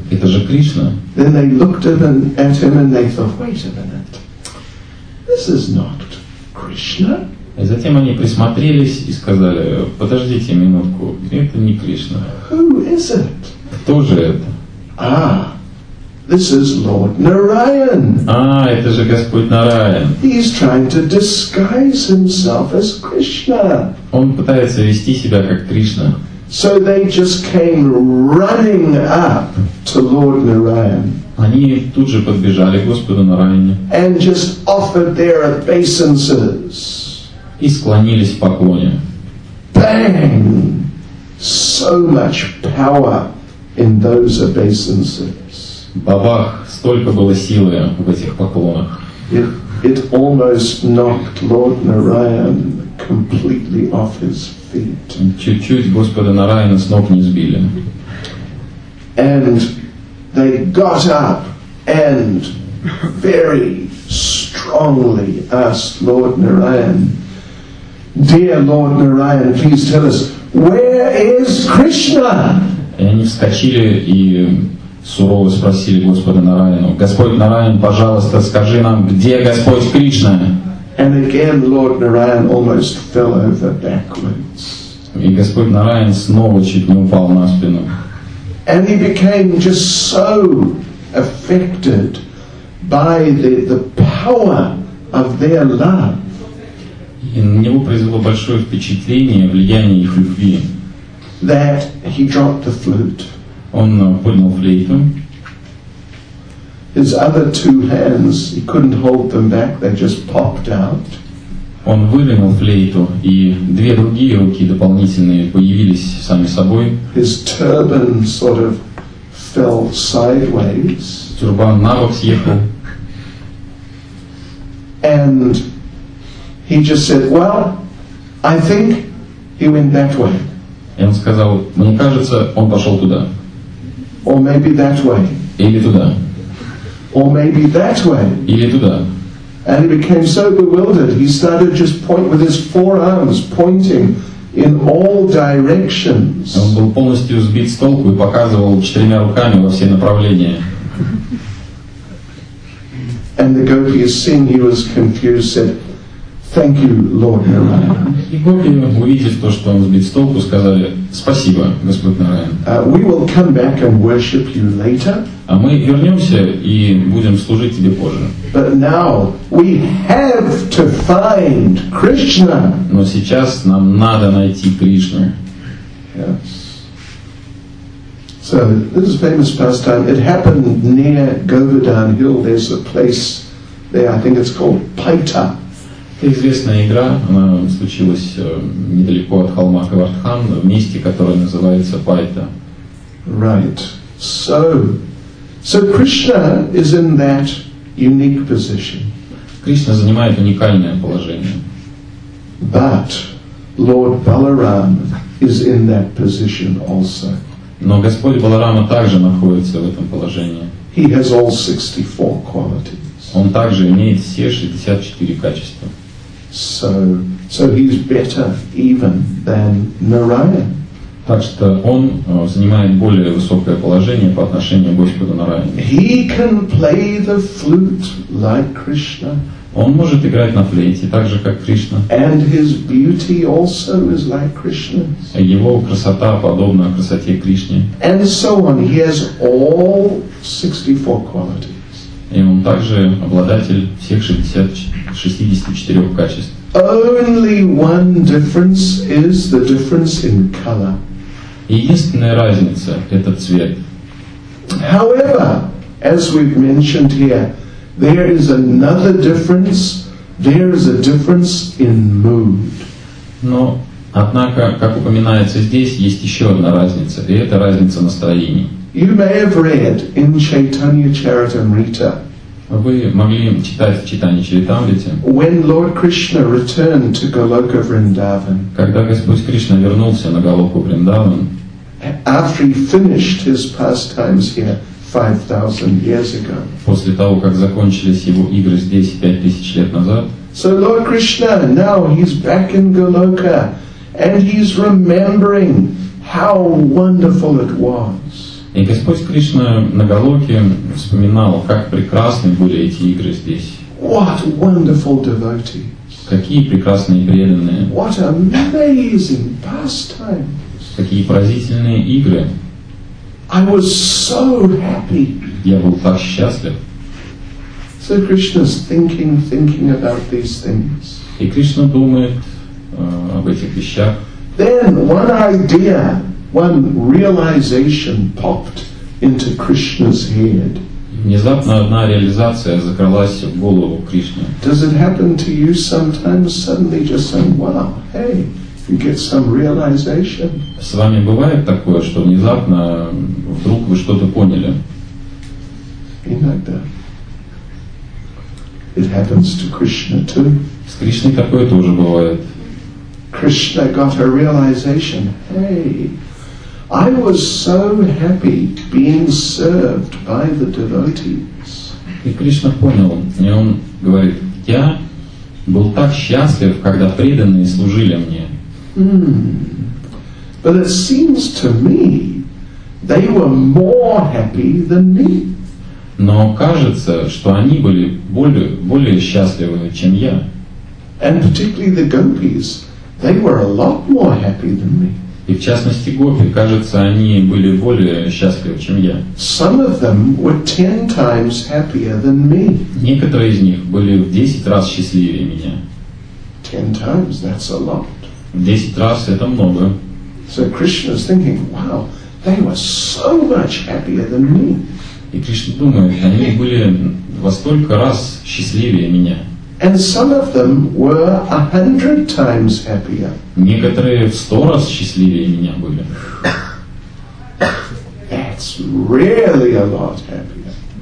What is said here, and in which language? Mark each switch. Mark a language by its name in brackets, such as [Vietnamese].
[Russian] Это же Кришна. [English] Then they looked at him and they thought, wait a minute. This is not Krishna. [Russian] И затем они присмотрелись и сказали, подождите минутку, это не Кришна. [English] Who is it? [Russian] Кто же это? [English] Ah, this is Lord Narayan. [Russian] Это же Господь Нараян. [English] He's trying to disguise himself as Krishna. [Russian] Он пытается вести себя как Кришна. [English] So they just came running up to Lord Narayan. [Russian] Они тут же подбежали к Господу Нараяне. [English] And just offered their obeisances. [Russian] И склонились в поклоне. [English] Bang! So much power in those obeisances. [Russian] Бабах, столько было силы в этих поклонах. [English] It almost knocked Lord Narayan completely off his feet. [Russian] Чуть-чуть Господа Нараяна с ног не сбили. [English] And they got up and very strongly asked Lord Narayan, Dear Lord Narayan, please tell us, where is Krishna? [Russian] И они вскочили и сурово спросили Господа Нараяну, Господь Нараян, пожалуйста, скажи нам, где Господь Кришна? [English] And again Lord Narayan almost fell over backwards. [Russian] И Господь Нараян снова чуть не упал на спину. [English] And he became just so affected by the power of their love. [Russian] И на него произвело большое впечатление влияние их любви. [English] That he dropped the flute. [Russian] Он поднял флейту. [English] His other two hands, he couldn't hold them back, they just popped out. [Russian] Он вывернул флейту, и две другие руки дополнительные появились сами собой. [English] His turban sort of fell sideways. [Russian] Тюрбан на бок съехал. [English] And he just said, well, I think he went that way. [Russian] И он сказал, мне кажется, он пошел туда. [English] Or maybe that way. [Russian] Или туда. [English] Or maybe that way. [Russian] Или туда. [English] And he became so bewildered, he started just pointing with his forearms, pointing in all directions. [Russian] Он был полностью сбит с толку и показывал четырьмя руками во все направления. [English] And the gopis, seeing he was confused, said, "Thank you, Lord Narayana." [Russian] И гопи, увидев то, что он сбит с толку, сказали: "Спасибо, Господь Нараяна." [English] We will come back and worship you later. [Russian] А мы вернемся и будем служить тебе позже. [English] But now we have to find Krishna. [Russian] Но сейчас нам надо найти Кришну. [English] Yes. So this is famous pastime. It happened near Govardhan Hill. There's a place there. I think it's called Paita. [Russian] Это известная игра. Она случилась недалеко от холма Говардхан, в месте, которое называется Пайта. [English] Right. So Krishna is in that unique position. [Russian] Кришна занимает уникальное положение. [English] But Lord Balaram is in that position also. [Russian] Но Господь Баларама также находится в этом положении. [English] He has all 64 qualities. [Russian] Он также имеет все 64 качества. [English] So he's better even than Narayan. [Russian] Так что он занимает более высокое положение по отношению к Господу Нараяне. [English] He can play the flute like Krishna. [Russian] Он может играть на флейте так же, как Кришна. [English] And his beauty also is like Krishna's. [Russian] И его красота подобна красоте Кришны. [English] And so on. He has all 64 qualities. [Russian] И он также обладатель всех 64 качеств. [English] Only one difference is the difference in color. [Russian] Единственная разница – это цвет. [English] However, as we've mentioned here, there is another difference. There is a difference in mood. [Russian] Но, однако, как упоминается здесь, есть еще одна разница, и это разница настроений. [English] You may have read in Chaitanya Charitamrita. [Russian] Вы могли читать в Чайтанье Чаритамрите. [English] When Lord Krishna returned to Goloka Vrindavan. [Russian] Когда Господь Кришна вернулся на Голоку Вриндаван. [English] After he finished his pastimes here 5,000 years ago. [Russian] После того, как закончились его игры здесь 5,000 лет назад. [English] So Lord Krishna, now he's back in Goloka, and he's remembering how wonderful it was. [Russian] И Господь Кришна на Голоке вспоминал, как прекрасны были эти игры здесь. [English] What wonderful devotees! [Russian] Какие прекрасные преданные! [English] What amazing pastimes! [Russian] Какие поразительные игры! [English] I was so happy. [Russian] Я был так счастлив. [English] So Krishna's thinking about these things. [Russian] И Кришна думает об этих вещах. [English] Then one idea, one realization popped into Krishna's head. [Russian] Внезапно одна реализация закралась в голову Кришны. [English] Does it happen to you sometimes suddenly just saying, "Wow, hey"? You get some realization. [Russian] С вами бывает такое, что внезапно вдруг вы что-то поняли? Иногда. [English] It happens to Krishna too. [Russian] С Кришной такое тоже бывает. [English] Krishna got a realization. Hey, I was so happy being served by the devotees. [Russian] И Кришна понял, и он говорит: "Я был так счастлив, когда преданные служили мне." [English] But it seems to me they were more happy than me. [Russian] Но кажется, что они были более счастливы, чем я. [English] And particularly the gopis, they were a lot more happy than me. [Russian] И в частности гопи, кажется, они были более счастливы, чем я. [English] Some of them were 10 times happier than me. [Russian] Некоторые из них были в 10 раз счастливее меня. [English] 10 times, that's a lot. [Russian] 10 раз это много. [English] So Krishna is thinking, wow, they were so much happier than me. [Russian] И Кришна думает, они были во столько раз счастливее меня. [English] And some of them were 100 times happier. [Russian] Некоторые в 100 раз счастливее меня были. [English] That's really a lot happier.